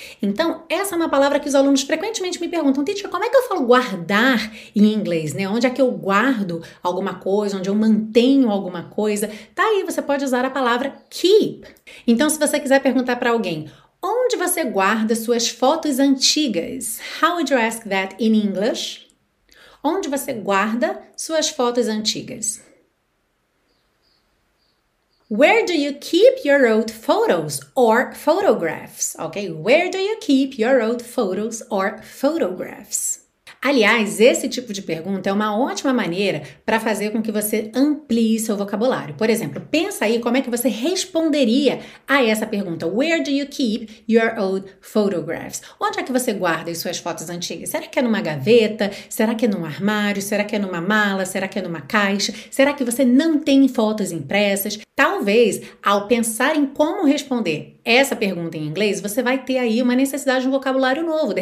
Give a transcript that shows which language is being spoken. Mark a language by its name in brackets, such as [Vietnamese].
[Portuguese] Então, essa é uma palavra que os alunos frequentemente me perguntam, teacher, como é que eu falo guardar em inglês, né? Onde é que eu guardo alguma coisa, onde eu mantenho alguma coisa? Tá aí, você pode usar a palavra keep. Então, se você quiser perguntar para alguém, onde você guarda suas fotos antigas? [English] How would you ask that in English? [Portuguese] Onde você guarda suas fotos antigas? [English] Where do you keep your old photos or photographs? Ok? Where do you keep your old photos or photographs? [Portuguese] Aliás, esse tipo de pergunta é uma ótima maneira para fazer com que você amplie seu vocabulário. Por exemplo, pensa aí como é que você responderia a essa pergunta. [English] Where do you keep your old photographs? [Portuguese] Onde é que você guarda as suas fotos antigas? Será que é numa gaveta? Será que é num armário? Será que é numa mala? Será que é numa caixa? Será que você não tem fotos impressas? Talvez, ao pensar em como responder essa pergunta em inglês, você vai ter aí uma necessidade de um vocabulário novo.